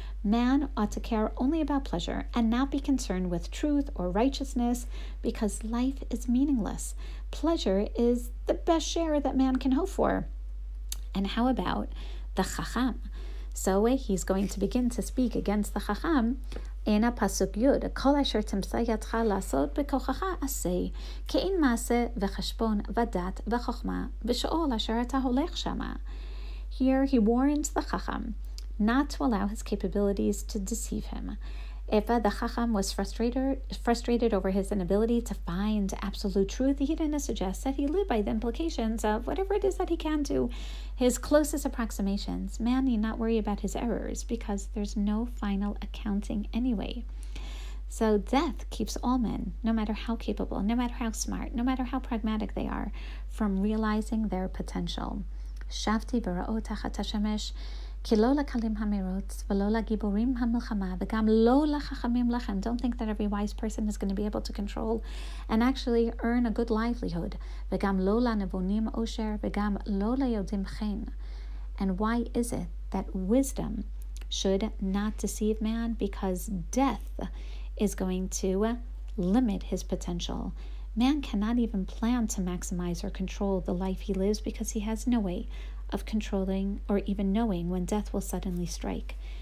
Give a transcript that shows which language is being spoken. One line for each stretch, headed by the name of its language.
English: Man ought to care only about pleasure and not be concerned with truth or righteousness, because life is meaningless. Pleasure is the best share that man can hope for. And how about the Chacham? So he's going to begin to speak against the Chacham,
Hebrew: אין הפסוק יוד, כל אשר תמצא ידך לעשות בכוחך עשה, כי אין מעשה וחשבון ודת וחוכמה ושאול אשר אתה הולך שמה.
English: Here he warns the Chacham not to allow his capabilities to deceive him. Eva, the Chacham, was frustrated over his inability to find absolute truth. He didn't suggest that he live by the implications of whatever it is that he can do, his closest approximations. Man need not worry about his errors because there's no final accounting anyway. So death keeps all men, no matter how capable, no matter how smart, no matter how pragmatic they are, from realizing their potential.
Hebrew: שבתי וראו תחת השמש, כי לא לקלים המרוץ ולא לגיבורים המלחמה וגם לא לחכמים לכם.
English: Don't think that every wise person is going to be able to control and actually earn a good livelihood.
Hebrew: וגם לא לנבונים עושר וגם לא ליודעים חן.
English: And why is it that wisdom should not deceive man? Because death is going to limit his potential. Man cannot even plan to maximize or control the life he lives because he has no way of controlling or even knowing when death will suddenly strike.